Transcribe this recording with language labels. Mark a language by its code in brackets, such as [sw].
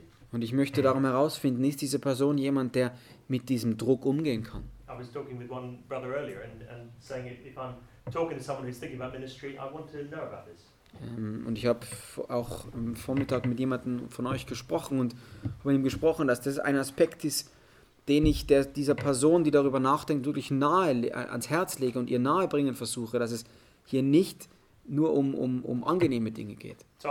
[de] Und ich möchte darum herausfinden, ist diese Person jemand, der mit diesem Druck umgehen kann? [en] I was talking with one brother earlier and saying if I'm talking to someone who's thinking about ministry, I want to know about this. [de] Und ich habe auch am Vormittag mit jemandem von euch gesprochen und habe mit ihm gesprochen, dass das ein Aspekt ist, den ich dieser Person, die darüber nachdenkt, wirklich nahe ans Herz lege und ihr nahe bringen versuche, dass es hier nicht nur um angenehme Dinge geht.